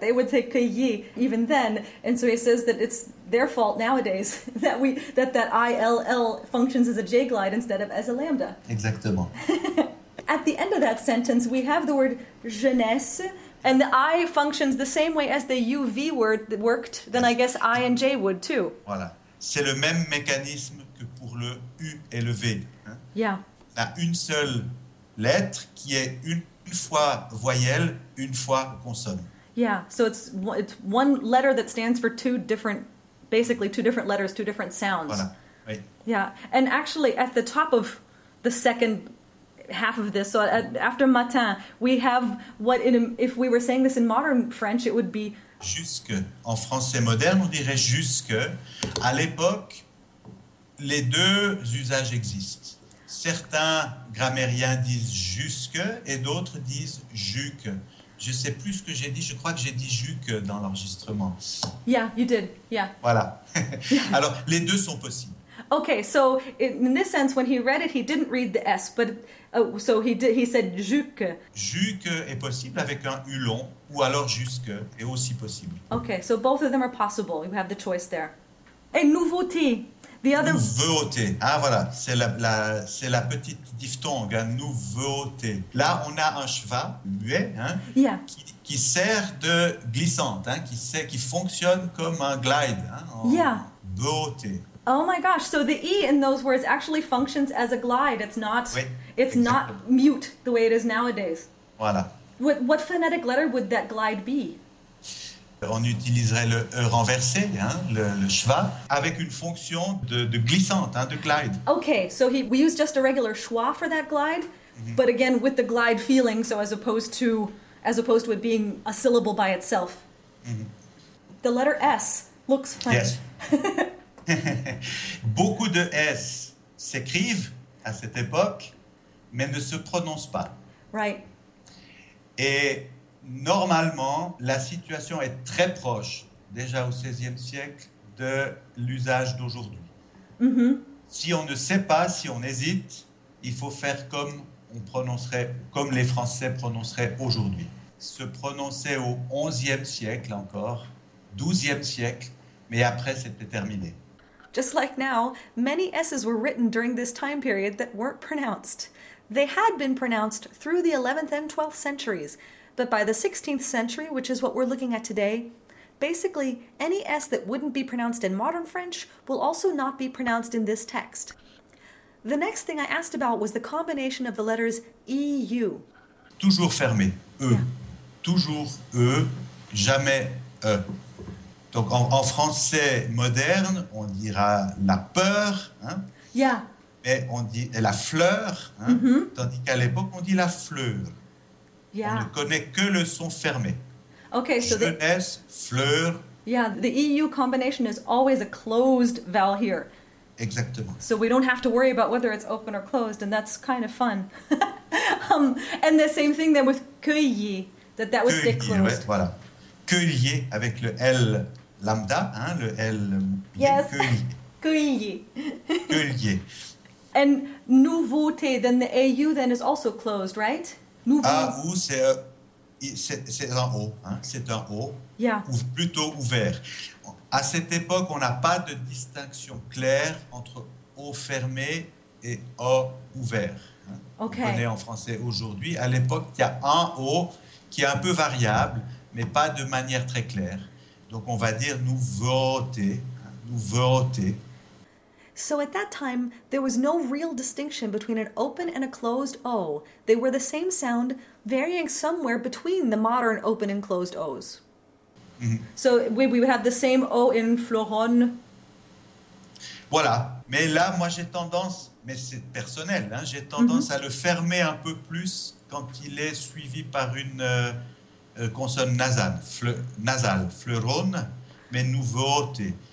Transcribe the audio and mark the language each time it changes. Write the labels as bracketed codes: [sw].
[en] They would say cueillir even then. And so he says that it's their fault nowadays that I-L-L functions as a J-glide instead of as a lambda. [fr] Exactement. [en] At the end of that sentence, we have the word jeunesse. And the I functions the same way as the UV word that worked, then I guess I and J would too. [fr] Voilà. C'est le même mécanisme que pour le U et le V. Hein? [en] Yeah. [fr] a une seule lettre qui est une fois voyelle, une fois consonne. [en] Yeah, so it's one letter that stands for two different, basically two different letters, two different sounds. [fr] Voilà. Oui. [en] Yeah, and actually at the top of the second half of this, so after matin, we have what if we were saying this in modern French, it would be [fr] jusque. En français moderne, on dirait jusque. À l'époque, les deux usages existent. Certains grammairiens disent jusque et d'autres disent juque. Je sais plus ce que j'ai dit. Je crois que j'ai dit juque dans l'enregistrement. [en] Yeah, you did. Yeah. [fr] Voilà. Alors, les deux sont possibles. [en] Okay, so in this sense, when he read it, he didn't read the S, but so he did, he said juque. [fr] Juque est possible avec un U long, ou alors jusque est aussi possible. [en] Okay, so both of them are possible. You have the choice there. [fr] Et nouveauté. [en] The other... [fr] Nouveauté. Ah, voilà. C'est la petite diphtongue. Hein. Nouveauté. Là, on a un schwa muet hein, [en] yeah. [fr] qui sert de glissante, hein, qui fonctionne comme un glide. Hein, [en] yeah. [fr] Beauté. [en] Oh my gosh. So the E in those words actually functions as a glide. It's not, [fr] oui, [en] it's not mute the way it is nowadays. [fr] Voilà. [en] What phonetic letter would that glide be? [fr] On utiliserait le E renversé, hein, le schwa, avec une fonction de glissante, hein, de glide. [en] Okay, so we use just a regular schwa for that glide, mm-hmm. but again with the glide feeling, so as opposed to it being a syllable by itself. Mm-hmm. The letter S looks funny. Yes. [fr] Beaucoup de S s'écrivent à cette époque, mais ne se prononcent pas. [en] Right. [fr] Et... Normalement, la situation est très proche, déjà au XVIe siècle, de l'usage d'aujourd'hui. Mm-hmm. Si on ne sait pas, si on hésite, il faut faire comme on prononcerait, comme les Français prononceraient aujourd'hui. Se prononcer au XIe siècle encore, XIIe siècle, mais après c'était terminé. [en] Just like now, many S's were written during this time period that weren't pronounced. They had been pronounced through the 11th and 12th centuries. But by the 16th century, which is what we're looking at today, basically, any S that wouldn't be pronounced in modern French will also not be pronounced in this text. The next thing I asked about was the combination of the letters EU. [fr] Toujours fermé, E. [en] Yeah. [fr] Toujours E, jamais E. Donc en français moderne, on dira la peur, hein? [en] Yeah. [fr] Mais on dit la fleur, hein? Mm-hmm. Tandis qu'à l'époque, on dit la fleur. [en] Yeah. [fr] On ne connaît que le son fermé. [en] Okay, so [fr] jeunesse, fleur. [en] Yeah, the EU combination is always a closed vowel here. [fr] Exactement. [en] So we don't have to worry about whether it's open or closed, and that's kind of fun. and the same thing then with cueillir, that would stay closed. [fr] Ouais, voilà. Cueillir avec le L lambda, hein, le L. [en] Yes. Cueillir. [fr] Cueillir. [en] And nouveauté, then the AU then is also closed, right? [fr] Ah, ou c'est un O, hein, c'est un O, [en] yeah. [fr] ou plutôt ouvert. À cette époque, on n'a pas de distinction claire entre O fermé et O ouvert. Hein. Okay. On connaît en français aujourd'hui. À l'époque, il y a un O qui est un peu variable, mais pas de manière très claire. Donc, on va dire nouveauté, hein, nouveauté. [en] So at that time, there was no real distinction between an open and a closed O. They were the same sound, varying somewhere between the modern open and closed O's. Mm-hmm. So we would have the same O in Floron. [fr] Voilà. Mais là, moi, j'ai tendance, mais c'est personnel, hein, j'ai tendance mm-hmm. à le fermer un peu plus quand il est suivi par une consonne nasale, Floron, mais nouveauté.